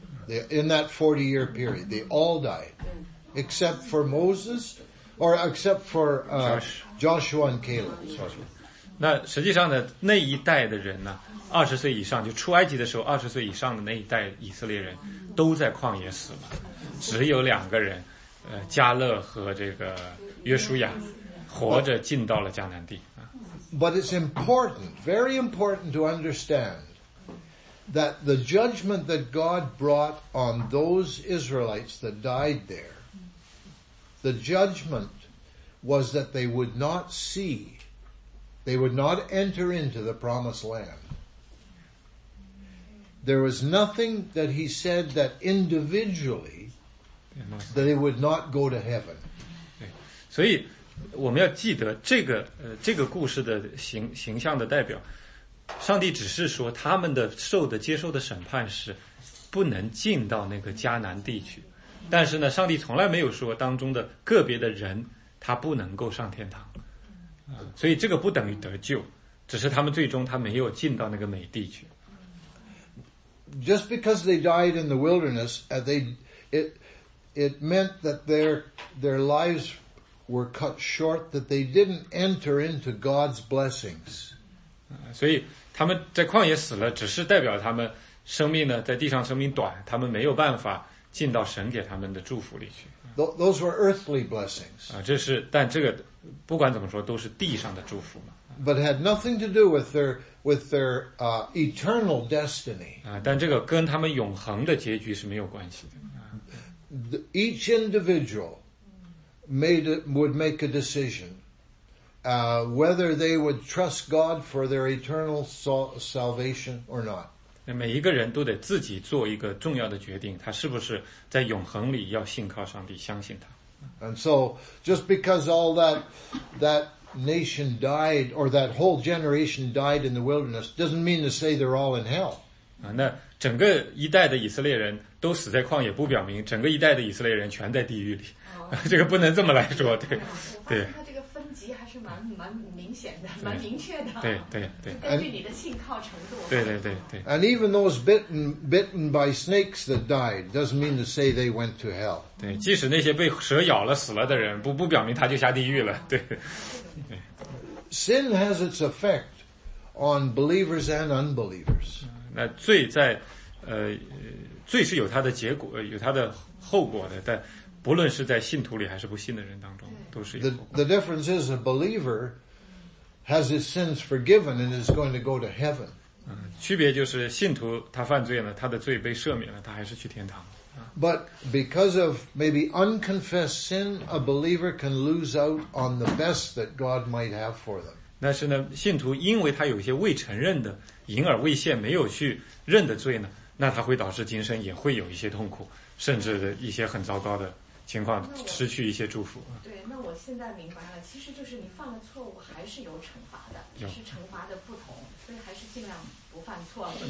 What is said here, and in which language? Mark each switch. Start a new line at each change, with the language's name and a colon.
English: They, in that 40-year period, they all died. Except for Moses, or except for Joshua and Caleb. Joshua.
Chinese: 那实际上呢，那一代的人呢，二十岁以上，就出埃及的时候二十岁以上的那一代以色列人，都在旷野死了，只有两个人，加勒和这个约书亚，活着进到了迦南地。
English: But it's important, very important to understand that the judgment that God brought on those Israelites that died there, the judgment was that they would not see, they would not enter into the promised land. There was nothing that he said that individually that they would not go to heaven.
Chinese: So, 我们要记得这个故事的形象的代表，上帝只是说他们的受的接受的审判是不能进到那个迦南地区，但是呢，上帝从来没有说当中的个别的人他不能够上天堂，所以这个不等于得救，只是他们最终他没有进到那个美地去。
English: Just because they died in the wilderness, it meant that their lives were cut short, that they didn't enter into God's blessings.
Chinese: 所以他们在旷野死了，只是代表他们生命呢，在地上生命短，他们没有办法进到神给他们的祝福里去。
English: Those were earthly blessings.
Chinese: 这是，但这个不管怎么说，都是地上的祝福嘛。
English: But had nothing to do with their eternal destiny.
Chinese: 但这个跟他们永恒的结局是没有关系的。
English: Each individual would make a decision, whether they would trust God for their eternal salvation or not.
Chinese: 每一个人都得自己做一个重要的决定，他是不是在永恒里要信靠上帝，相信他。
English: And so, just because all that nation died, or that whole generation died in the wilderness, doesn't mean to say they're all in hell.
Chinese: 那整个一代的以色列人都死在旷野，不表明整个一代的以色列人全在地狱里。这个不能这么来说，对，对。我发现他这个分级还是蛮明显的，蛮明确的。对对对。根据你的信靠程度。对对对对。
English: And even those bitten by snakes that died doesn't mean to say they went to hell.
Chinese: 对，即使那些被蛇咬了死了的人，不表明他就下地狱了，对。
English: Sin has its effect on believers and unbelievers.
Chinese: 那罪在，罪是有它的结果，有它的后果的，但。不论是在信徒里还是不信的人当中，都是一个。
English: The difference is a believer has his sins forgiven and is going to go to heaven.
Chinese: 区别就是信徒他犯罪了，他的罪被赦免了，他还是去天堂。
English: But because of maybe unconfessed sin, a believer can lose out on the best that God might have for them.
Chinese: 但是呢，信徒因为他有一些未承认的、隐而未现、没有去认的罪呢，那他会导致今生也会有一些痛苦。甚至一些很糟糕的情况，失去一些祝福。对，那我现在明白了，其实就是你犯了错误，还是有惩罚的，只是惩罚的不同，所以还是尽量不犯错了。